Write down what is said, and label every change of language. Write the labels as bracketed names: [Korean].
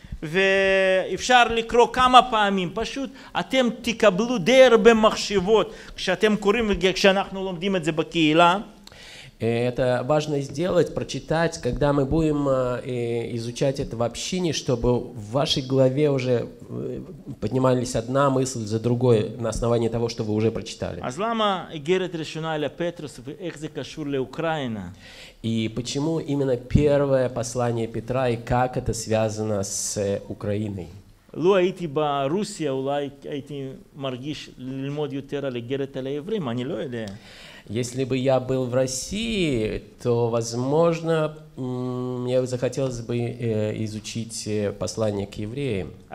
[Hebrew] ואפשר לקרוא כמה פעמים, פשוט אתם תקבלו די הרבה מחשבות כשאתם קוראים וכשאנחנו לומדים את זה בקהילה. [Russian] Это важно сделать, прочитать, когда мы будем изучать это в общине, чтобы в вашей голове уже поднимались одна мысль за другой на основании того, что вы уже прочитали. [Hebrew] אז למה אגרת ראשונה על הפטרוס ואיך זה קשור לאוקראינה? [Russian] И почему именно первое послание Петра и как это связано с Украиной? [Hebrew] לו הייתי ברוסיה, אולי הייתי מרגיש ללמוד יותר על אגרת על העברים, אני לא יודע. [Russian] Если бы я был в России, то, возможно, мне бы захотелось бы изучить послание к евреям.